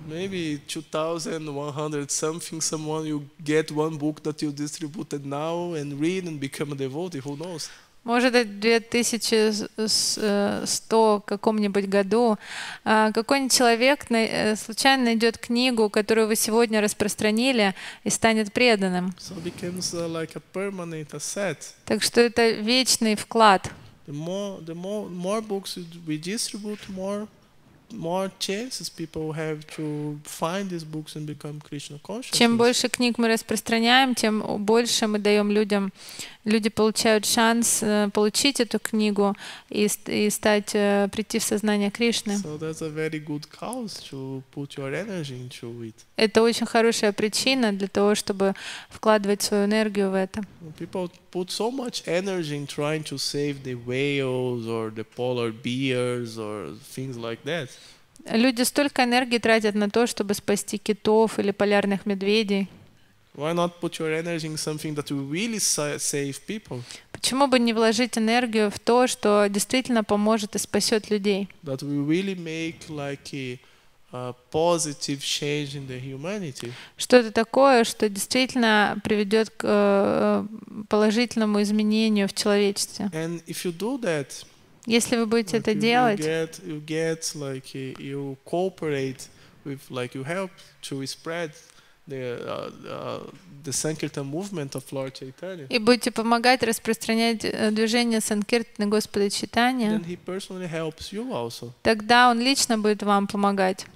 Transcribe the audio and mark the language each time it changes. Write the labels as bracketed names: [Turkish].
[English] Maybe 2100 something someone you get one book that you distributed now and read and become a devotee, who knows? [Russian] Может, в 2100 каком-нибудь году какой-нибудь человек случайно найдет книгу, которую вы сегодня распространили, и станет преданным. [English] So it becomes like a permanent asset. [Russian] Так что это вечный вклад. [English] The more books we distribute, more chances people have to find these books and become Krishna conscious. [Russian] Чем больше книг мы распространяем, тем больше мы даем людям, люди получают шанс получить эту книгу и стать прийти в сознание Кришны. [English] So that's a very good cause to put your energy into it. [Russian] Это очень хорошая причина для того, чтобы вкладывать свою энергию в это. [English] People put so much energy in trying to save the whales or the polar bears or things like that. [Russian] Люди столько энергии тратят на то, чтобы спасти китов или полярных медведей. [English] Why not put your energy in something that will really save people? [Russian] Почему бы не вложить энергию в то, что действительно поможет и спасет людей? [English] That will really make like a positive change in the humanity. [Russian] Что-то такое, что действительно приведет к положительному изменению в человечестве. [English] And if you do that, [Russian] если вы будете это делать, [English] you get like you cooperate with like you help to spread the Sankirtan movement of Lord Chaitanya. [Russian] И будете помогать распространять движение Санкиртны Господа Читания. [English] Then he personally helps you also. [Russian] Тогда он лично будет вам помогать.